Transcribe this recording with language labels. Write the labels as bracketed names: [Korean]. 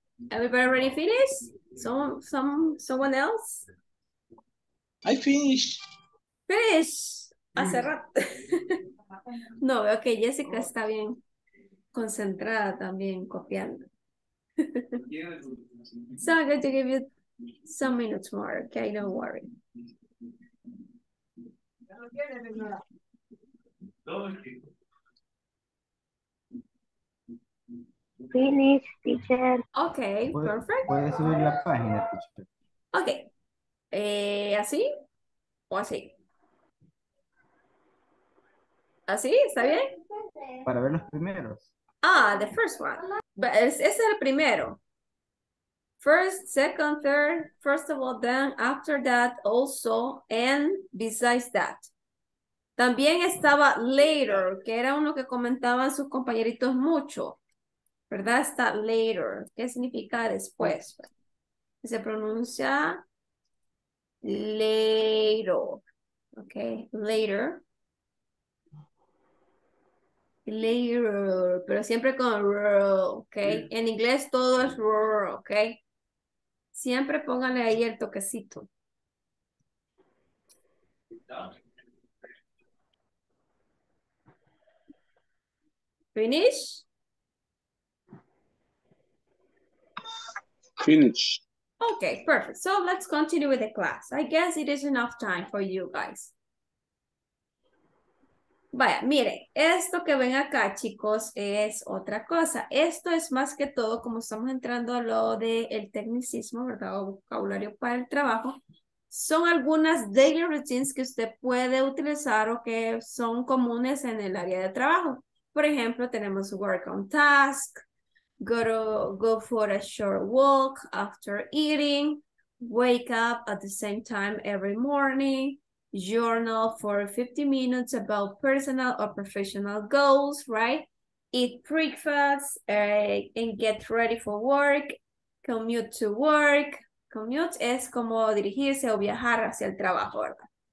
[English] Everybody ready to finish? Someone else? I finish. Finish. [Spanish] Hace rato. No, veo que Jessica está bien concentrada también copiando. [English] So I'm going to give you some minutes more, okay? Don't worry. Finish, teacher. Okay, perfect. [Spanish] Puede subir la página, teacher. Okay. ¿Así? ¿O así? ¿Así? ¿Está bien? Para ver los primeros. [English] Ah, the first one. But [Spanish] ese es el primero. [English] First, second, third, first of all, then, after that, also, and besides that. [Spanish] También estaba later, que era uno que comentaban sus compañeritos mucho. ¿Verdad? Está later. ¿Qué significa después? Se pronuncia later. [English] Ok, later. [Spanish] Later, pero siempre con rural, ok. En inglés todo es rural, ok. Siempre pónganle ahí el toquecito. [English] Finish. Finish. Okay, perfect. So let's continue with the class. I guess it is enough time for you guys. [Spanish] Vaya, miren, esto que ven acá, chicos, es otra cosa. Esto es más que todo, como estamos entrando a lo del tecnicismo, ¿verdad? O vocabulario para el trabajo. Son algunas daily routines que usted puede utilizar o que son comunes en el área de trabajo. Por ejemplo, tenemos [English] work on task, go for a short walk after eating, wake up at the same time every morning, journal for 50 minutes about personal or professional goals, right? Eat breakfast and get ready for work, commute to work. [Spanish] Commute es como dirigirse o viajar hacia el trabajo, ¿verdad?